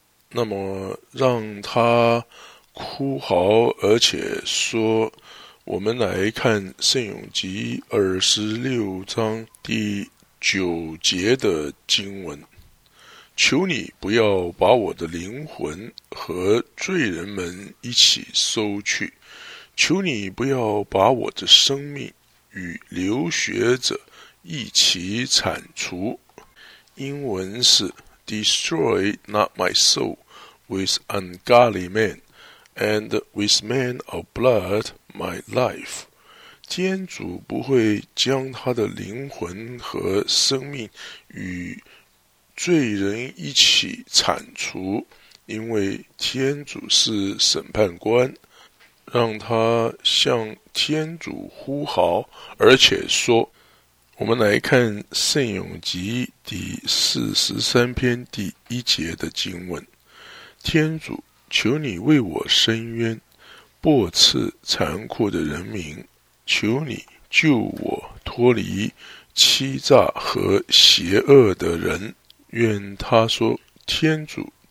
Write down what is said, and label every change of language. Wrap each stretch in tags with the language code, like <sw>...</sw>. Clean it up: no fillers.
<zh>那么让他哭嚎而且说，我们来看圣咏集26章第9节的经文，求你不要把我的灵魂和罪人们一起收去，求你不要把我的生命与流血者一起铲除。英文是</zh> <en>Destroy not my soul with ungodly men, and with men of blood my life.</en> <zh>天主不会将他的灵魂和生命与罪人一起铲除，因为天主是审判官。让他向天主呼号，而且说，我们来看圣咏集第43篇第1节的经文，天主求你为我伸冤，驳斥残酷的人民，求你救我脱离欺诈和邪恶的人。愿他说天主</zh>